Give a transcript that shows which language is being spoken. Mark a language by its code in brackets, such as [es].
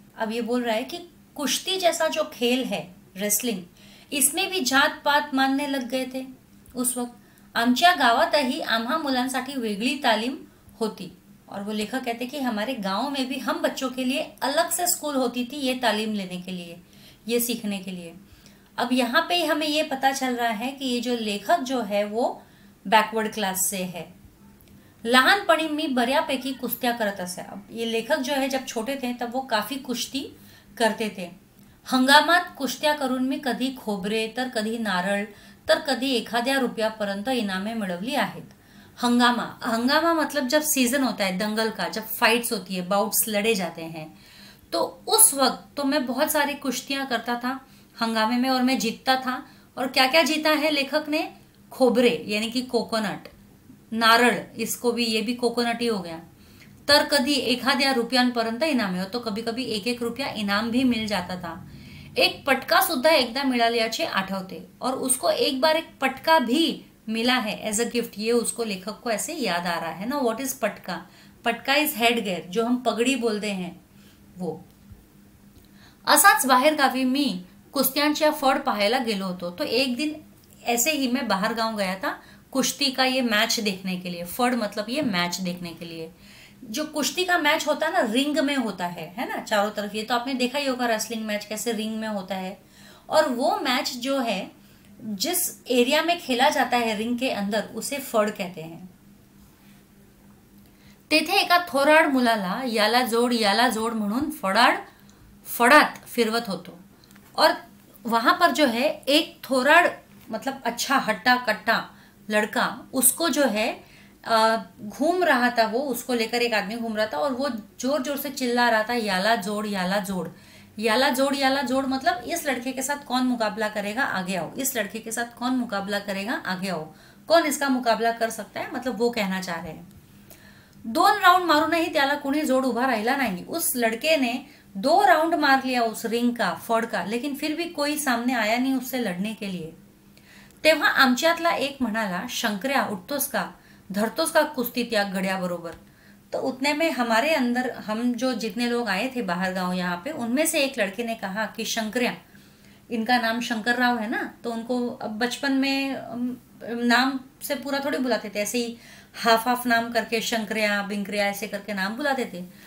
[hi] अब ये बोल रहा है कि कुश्ती जैसा जो खेल है रेसलिंग, इसमें भी जात पात मानने लग गए थे उस वक्त। [mr] आमच्या गावातही आम्हा मुलांसाठी वेगळी तालीम होती। [hi] और वो लेखक कहते हैं कि हमारे गांव में भी हम बच्चों के लिए अलग से स्कूल होती थी, ये तालीम लेने के लिए, ये सीखने के लिए। अब यहाँ पे हमें ये पता चल रहा है कि ये जो लेखक जो है वो बैकवर्ड क्लास से है। [mr] लहानपणी मी बऱ्यापैकी कुश्त्या करत असे। [hi] अब ये लेखक जो है जब छोटे थे तब वो काफी कुश्ती करते थे। [mr] हंगामात कुश्त्या करून मी कधी खोबरे तर कधी नारळ तर कधी एखाद्या रुपयापर्यंत इनामे मिळवली आहेत। [hi] हंगामा मतलब जब सीजन होता है दंगल का, जब फाइट्स होती है, बाउट्स लड़े जाते हैं, तो उस वक्त तो मैं बहुत सारी कुश्तियां करता था हंगामे में और मैं जीतता था। और क्या क्या जीता है लेखक ने, खोबरे यानी कि कोकोनट, नारल इसको भी, ये भी कोकोनट ही हो गया। तर कभी एखाद्या रुपयापर्यंत इनामे, तो कभी कभी एक एक रुपया इनाम भी मिल जाता था। एक पटका सुद्धा एकदा मिला लिया छे आठवते, और उसको एक बार एक पटका भी मिला है एज अ गिफ्ट, ये उसको लेखक को ऐसे याद आ रहा है ना। [en] what is patka, patka is headgear, [hi] जो हम पगड़ी बोलते हैं वो। [mr] असाच बाहर गावी मी कुश्त्यांच्या फड पाहायला गेलो होतो। [hi] तो एक दिन ऐसे ही मैं बाहर गांव गया था कुश्ती का ये मैच देखने के लिए, फड़ मतलब ये मैच देखने के लिए। जो कुश्ती का मैच होता है ना रिंग में होता है ना चारों तरफ, ये तो आपने देखा ही होगा रेसलिंग मैच कैसे रिंग में होता है। और वो मैच जो है जिस एरिया में खेला जाता है रिंग के अंदर उसे फड़ कहते हैं। [mr] तेथे एका थोराड मुलाला याला जोड़ म्हणून फड़ाड फड़ात फिरवत होतो। [hi] और वहां पर जो है एक थोराड मतलब अच्छा हट्टा कट्टा लड़का, उसको जो है घूम रहा था वो, उसको लेकर एक आदमी घूम रहा था और वो जोर जोर से चिल्ला रहा था [mr] याला जोड़ याला जोड़। याला जोड़ याला जोड़ [hi] मतलब इस लड़के के साथ कौन मुकाबला करेगा आगे आओ, इस लड़के के साथ कौन मुकाबला करेगा आगे आओ, कौन इसका मुकाबला कर सकता है, मतलब वो कहना चाह रहे हैं। [mr] दोन राउंड मारू नहीं त्याला कुणी जोड़ उभा राहिला नाही, [hi] उस लड़के ने दो राउंड मार लिया उस रिंग का फड़ का, लेकिन फिर भी कोई सामने आया नहीं उससे लड़ने के लिए। [mr] तेव्हा आमच्यातला एक म्हणाला, शंकर्या उठतोस का, धरतोस का कुस्ती त्या गड़िया बरोबर। [hi] तो उतने में हमारे अंदर, हम जो जितने लोग आए थे बाहर गांव यहाँ पे, उनमें से एक लड़के ने कहा कि शंकर्या, इनका नाम शंकर राव है ना, तो उनको अब बचपन में नाम से पूरा थोड़ी बुलाते थे, ऐसे ही हाफ हाफ नाम करके शंकर्या बिंकर्या ऐसे करके नाम बुलाते थे।